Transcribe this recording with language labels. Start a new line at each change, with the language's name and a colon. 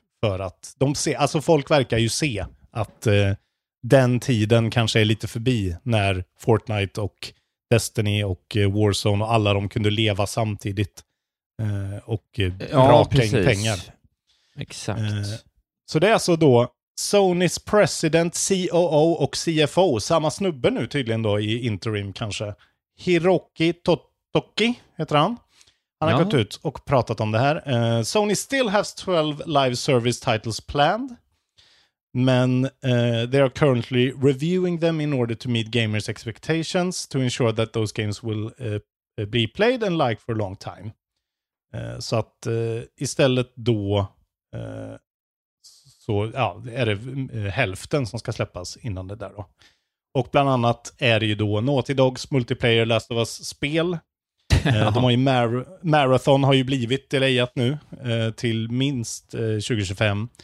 Swedish: För att de ser, alltså folk verkar ju se att den tiden kanske är lite förbi när Fortnite och Destiny och Warzone och alla de kunde leva samtidigt och raka in pengar. Exakt. Så det är alltså då Sonys president, COO och CFO, samma snubbe nu tydligen då i interim kanske. Hiroki Totoki heter han. Han har gått ut och pratat om det här.
English: Sony still has 12 live service titles planned.
Swedish: Men
English: they are currently reviewing them in order to meet gamers' expectations to ensure that those games will be played and liked for a long time.
Swedish: Så att istället då så ja, är det hälften som ska släppas innan det där då. Och bland annat är det ju då Naughty Dogs multiplayer Last of Us-spel. De har ju Marathon har ju blivit delayat nu till minst 2025.